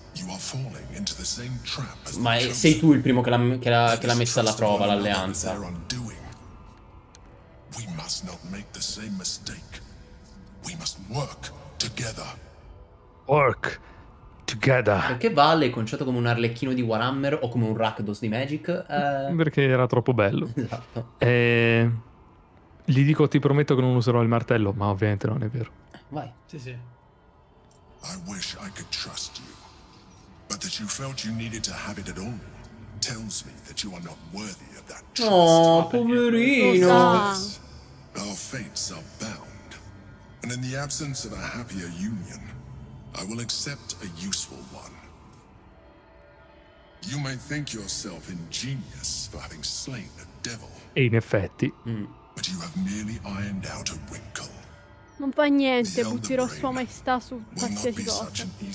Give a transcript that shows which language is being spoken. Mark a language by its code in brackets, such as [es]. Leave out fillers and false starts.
[en] You are falling into the same trap as the ma chosen. [it] Sei tu il primo che l'ha messa alla prova l'alleanza. [en] We must not make the same mistake. We must work together. Work together. [it] Perché Vale è conciato come un arlecchino di Warhammer o come un Rakdos di Magic? Perché era troppo bello. Esatto. Gli dico, ti prometto che non userò il martello, ma ovviamente non è vero. Vai. Sì, sì. [en] I wish I could trust you. But that you felt you needed to have it at all. tells me that you are not worthy of that trust. [it] Oh, poverino. [en] Our fates are bound, and in the absence of a happier union, I will accept a useful one. You may think yourself ingenious for having slain a devil. [it] E in effetti. [en] But you have merely ironed out a wrinkle. [it] Non fa niente, butterò sua maestà su qualsiasi cosa.